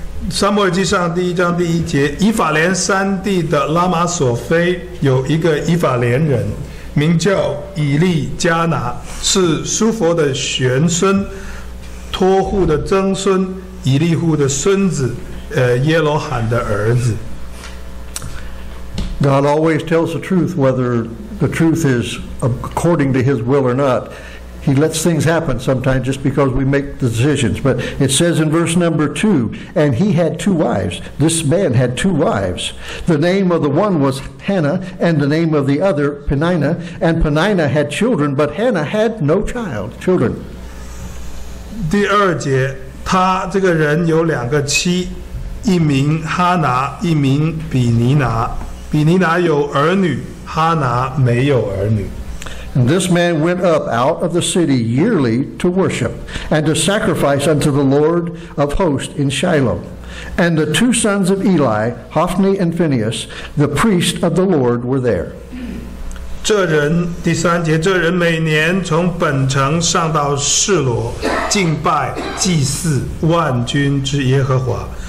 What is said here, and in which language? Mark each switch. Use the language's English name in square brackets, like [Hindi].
[Chinese] 撒母耳记上第一章第一节，以法莲山地的拉玛索非有一个以法莲人，名叫以利加拿，是苏佛的玄孙，托户的曾孙，以利户的孙子，耶罗罕的儿子。 [English] God always tells the truth, whether the truth is according to his will or not. He lets things happen sometimes just because we make decisions. But it says in verse number 2, and he had two wives. This man had two wives. The name of the one was Hannah, and the name of the other, Peninnah. And Peninnah had children, but Hannah had no children. [Chinese] 第二节, 他这个人有两个妻, 一名哈拿, 一名比尼拿, 比尼拿有儿女, 哈拿没有儿女。 [English] And this man went up out of the city yearly to worship and to sacrifice unto the Lord of hosts in Shiloh. And the two sons of Eli, Hophni and Phinehas, the priest of the Lord, were there. [Chinese] 这人, 第三节, 这人每年从本城上到示罗, 敬拜, 祭祀, 万军之耶和华。